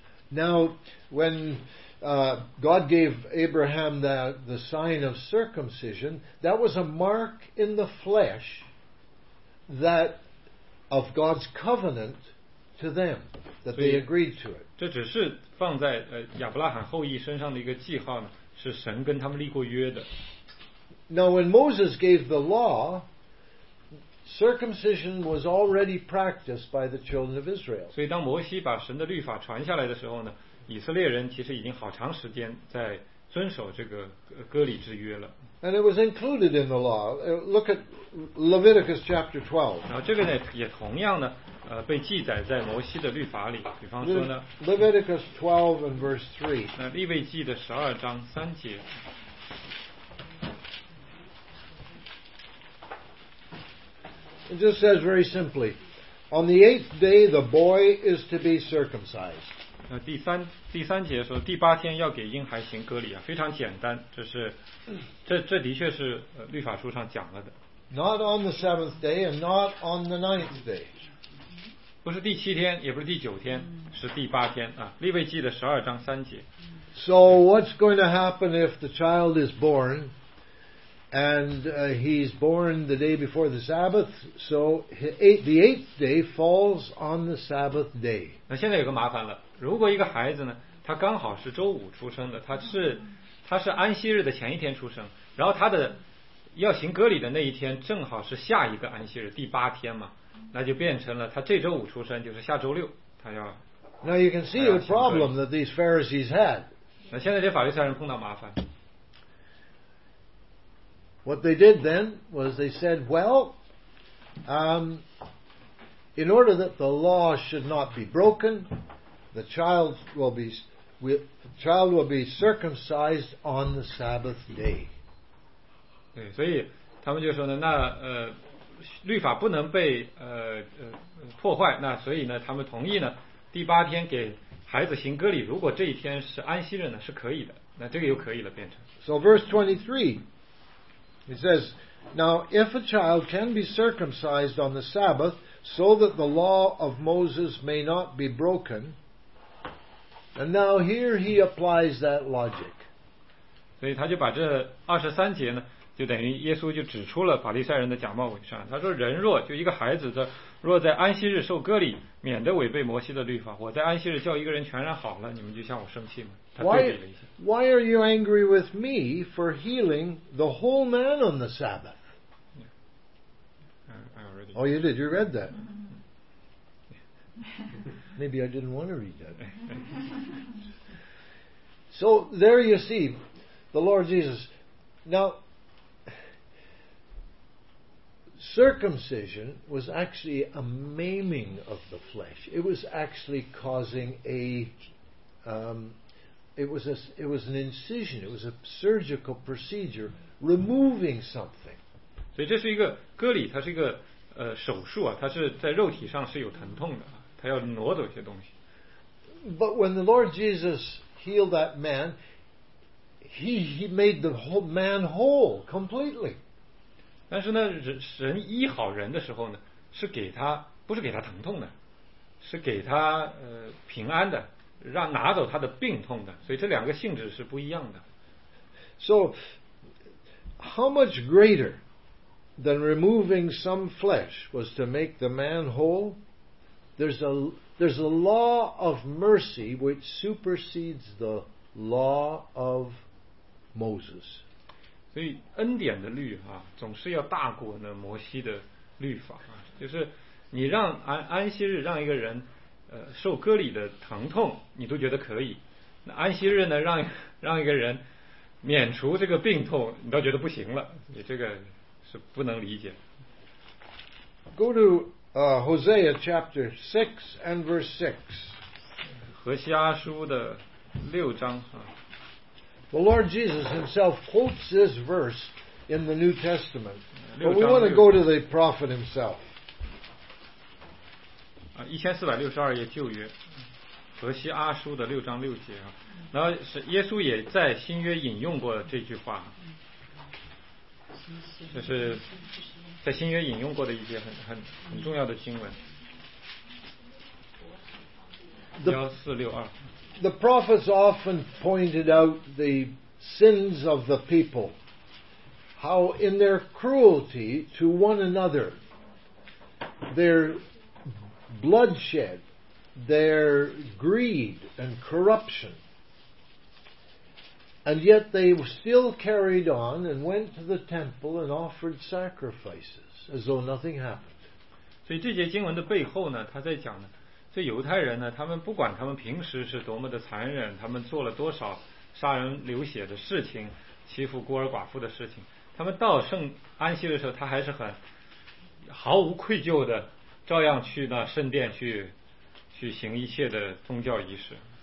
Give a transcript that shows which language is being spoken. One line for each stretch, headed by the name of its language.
English: Now when God gave Abraham the sign of circumcision, that was a mark in the flesh that of God's covenant to them that they agreed to it.
Chinese: 这只是放在亚伯拉罕后裔身上的一个记号呢，是神跟他们立过约的。
English: Now when Moses gave the law, circumcision was already practiced by the children of Israel.
Chinese: 所以当摩西把神的律法传下来的时候呢，以色列人其实已经好长时间在遵守这个割礼之约了。
English: And it was included in the law. Look at Leviticus chapter 12.
Chinese: 然后这个呢也同样呢，被记载在摩西的律法里。比方说呢
English: ，Leviticus 12 and verse 3.
Chinese: 那利未记的十二章三节。
English: It just says very simply, on the eighth day the boy is to be circumcised.
Chinese: 那第三节说第八天要给婴孩行割礼啊，非常简单，这是这的确是律法书上讲了的。
English: Not on the seventh day and not on the ninth day.
Chinese: 不是第七天，也不是第九天，是第八天啊。利未记的十二章三节。
English: So what's going to happen if the child is born? And he's born the day before the Sabbath, so the eighth day falls on the Sabbath day.
Chinese: 那现在有个麻烦了，如果一个孩子呢，他刚好是周五出生的，他是安息日的前一天出生，然后他的要行割礼的那一天正好是下一个安息日第八天嘛，那就变成了他这周五出生，就是下周六他要。
English: Now you can see the problem that these Pharisees had.
Chinese: 那现在这法利赛人碰到麻烦。
English: What they did then was they said, well, in order that the law should not be broken, the child will be circumcised on the Sabbath day.
Chinese: 对，所以他们就说呢，那律法不能被破坏，那所以呢，他们同意呢，第八天给孩子行割礼，如果这一天是安息日呢，是可以的，那这个又可以了，变成。
English: So verse 23. It says, now if a child can be circumcised on the Sabbath, so that the law of Moses may not be broken, and now here he applies that logic.
Chinese: 所以他就把这二十三节呢，就等于耶稣就指出了法利赛人的假冒伪善。他说，人若就一个孩子的，若在安息日受割礼，免得违背摩西的律法。我在安息日叫一个人全然好了，你们就向我生气吗？
English: Why are you angry with me for healing the whole man on the Sabbath? Yeah. Oh, you did. You read that. Maybe I didn't want to read that. So there you see the Lord Jesus. Now, circumcision was actually a maiming of the flesh. It was actually causing a... It was an incision. It was a surgical procedure, removing something.
Chinese: 所以这是一个割礼，它是一个手术啊，它是在肉体上是有疼痛的，它要挪走一些东西。
English: But when the Lord Jesus healed that man, he made the whole man whole completely.
Chinese: 但是呢，神医好人的时候呢，是给他不是给他疼痛的，是给他平安的。让拿走他的病痛的，所以这两个性质是不一样的。
English: So, how much greater than removing some flesh was to make the man whole? There's a law of mercy which supersedes the law of Moses.
Chinese: 所以恩典的律啊，总是要大过呢摩西的律法啊，就是你让安息日让一个人。受割礼的疼痛你都觉得可以，那安息日呢让一个人免除这个病痛你都觉得不行了，你这个是不能理解。
English: Go to Hosea chapter 6 and verse 6.
Chinese: 何西阿书的六章、啊、
English: The Lord Jesus himself quotes this verse in the New Testament, but we want to go to the prophet himself.
Chinese: 1462页旧约，何西阿书的六章六节啊，然后是耶稣也在新约引用过这句话，这是在新约引用过的一些很重要的经文。 1462。
English: The prophets often pointed out the sins of the people, how in their cruelty to one another, their bloodshed, their greed and corruption. And yet they still carried on and went to the temple and offered sacrifices as though nothing happened.
Chinese: 所以这节经文的背后呢，他在讲呢，这犹太人呢，他们不管他们平时是多么的残忍，他们做了多少杀人流血的事情，欺负孤儿寡妇的事情，他们到圣安息的时候，他还是很毫无愧疚的，照样去那圣殿去行一切的宗教仪式。